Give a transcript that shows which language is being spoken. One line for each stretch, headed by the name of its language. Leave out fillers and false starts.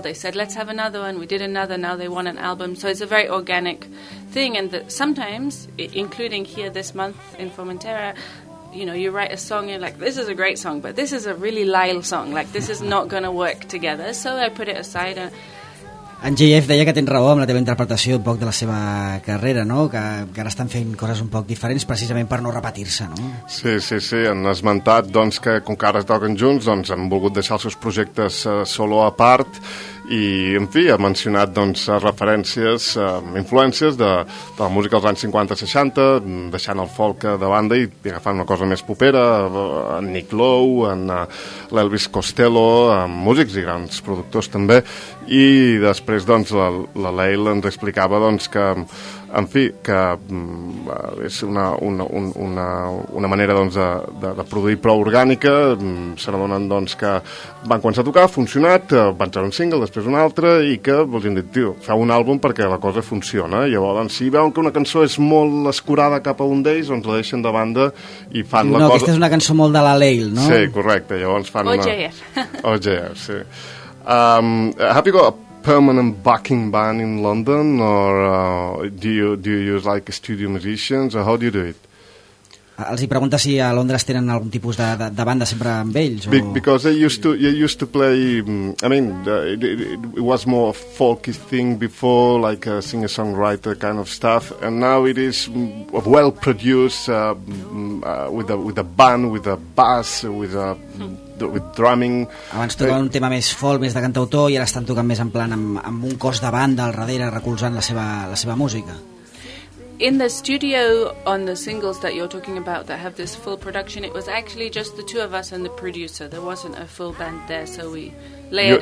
English: They said, let's have another one. We did another. Now they want an album. So it's a very organic thing. And sometimes, including here this month in Formentera, you know, you write a song, you're like, this is a great song, but this is a really Lyle song. Like, this is not going to work together. So I put it aside.
Catalan: En JF deia que tens raó amb la teva interpretació un poc de la seva carrera, no? Que ara estan fent coses un poc diferents precisament per no repetir-se, no? Sí, sí, sí. Han esmentat, doncs, que com que ara es toquen junts, doncs, han volgut deixar els seus projectes solo a part i, en fi, ha mencionat, doncs, referències, influències de la música dels anys 50-60, deixant el folk de banda i agafant una cosa més popera, en Nick Lowe, en l'Elvis Costello, amb músics i grans productors, també. I després, doncs, la Leila ens explicava, doncs, que, en fi, que és una manera, doncs, de produir prou orgànica. Se n'adonen, doncs, que van començar a tocar, ha funcionat, van treure un single, després un altre, i que els han dit, tio, feu un àlbum perquè la cosa funciona. Llavors, doncs, si veuen que una cançó és molt escurada cap a un d'ells, doncs la deixen de banda i fan la cosa... No, aquesta és una cançó molt de la Leila, no? Sí, correcte, llavors fan OJF. OJF, sí.
English: Have you got a permanent backing band in London, or do you use like studio musicians, or how do you do it?
Catalan: Els hi pregunta si a Londres tenen algun tipus de banda sempre amb ells. O...
English: Because they used to play. I mean, it was more folky thing before, like a singer songwriter kind of stuff, and now it is well produced with a band, with a bass, with a with drumming.
Catalan: Abans tocaven un tema més folk, més de cantautor, i ara estan tocant més en plan amb un cos de banda al darrere recolzant la seva música.
English: In the studio on the singles that you're talking about that have this full production, it was actually just the two of us and the producer. There wasn't a full band there, so we layered